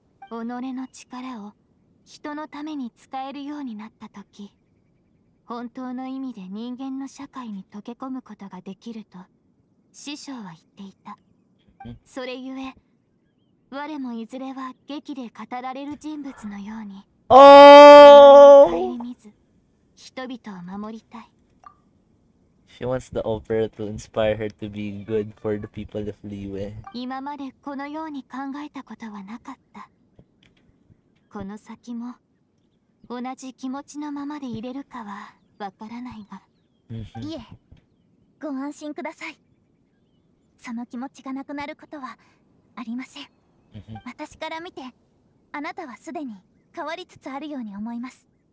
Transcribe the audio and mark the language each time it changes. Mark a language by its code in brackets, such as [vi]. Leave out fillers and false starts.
[ja] 己の力を人のために使えるようになったとき、本当の意味で人間の社会に溶け込むことができると師匠は言っていた。それゆえ我もいずれは劇で語られる人物のように、おお、見ず人々を守りたい。 [en] She wants the opera to inspire her to be good for the people of Liyue. [ja] 今までこのように考えたことはなかった。この先も同じ気持ちのままでいれるかはわからないが、いえ、ご安心ください。その気持ちがなくなることはありません。私から見てあなたはすでに変わりつつあるように思います。